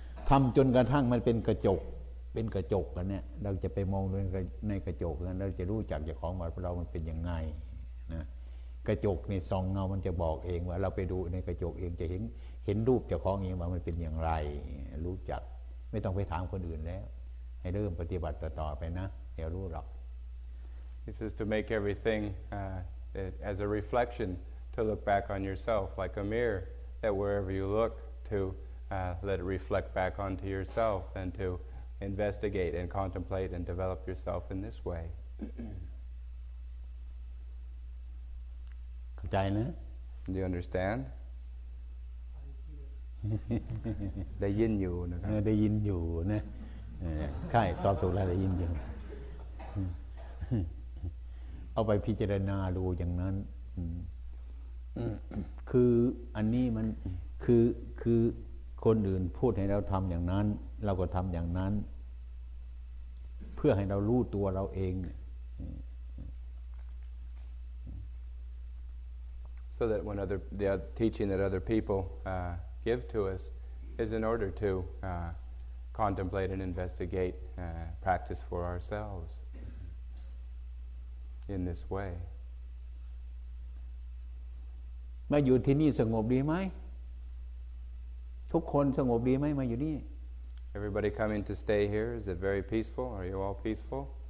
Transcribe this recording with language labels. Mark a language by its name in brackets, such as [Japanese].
[Thai] ทำจนกระทั่งมันเป็นกระจกเป็นกระจกกันเนี่ยเราจะไปมองในกระจกกันเราจะรู้จักเจ้าของว่าเรามันเป็นยังไงนะกระจกนี่ส่องเงามันจะบอกเองว่าเราไปดูในกระจกเองจะเห็นรูปเจ้าของเองว่ามันเป็นอย่างไรรู้จักไม่ต้องไปถามคนอื่นแล้วให้เริ่มปฏิบัติต่อไปนะเดี๋ยวรู้หรอก [English] This is to make everything as a reflection to look back on yourself like a mirror that wherever you lookto let it reflect back onto yourself and to investigate and contemplate and develop yourself in this way. Do you understand? [Thai] ได้ยินอยู่นะครับได้ยินอยู่นะใช่ตอบถูกแล้วได้ยินอยู่เอาไปพิจารณาดูอย่างนั้นคืออันนี้มันคือคนอื่นพูดให้เราทำอย่างนั้นเราก็ทำอย่างนั้นเพื่อให้เรารู้ตัวเราเอง [English] so that when the teaching that other people give to us is in order to contemplate and investigate practice for ourselves in this way [Thai] มาอยู่ที่นี่สงบดีไหมทุกคนสงบดีไหมมาอยู่นี่ [English] Everybody coming to stay here is it very peaceful Are you all peaceful